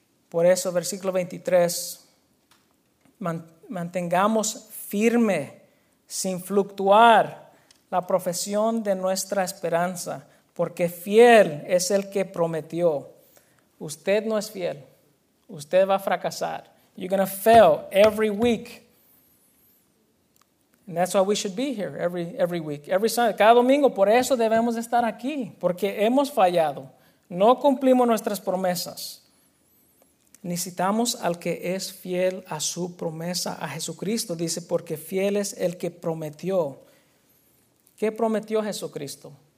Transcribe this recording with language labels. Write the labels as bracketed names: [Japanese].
[Spanish] Por eso, versículo 23, mantengamos firme, sin fluctuar, la profesión de nuestra esperanza, porque fiel es el que prometió. Usted no es fiel, usted va a fracasar. [English] You're going to fail every week. And that's why we should be here every week, every Sunday, [Spanish] cada domingo. Por eso debemos estar aquí, porque hemos fallado. No cumplimos nuestras promesas. Necesitamos al que es fiel a su promesa, a Jesucristo. Dice, porque fiel es el que prometió. ¿Qué prometió Jesucristo?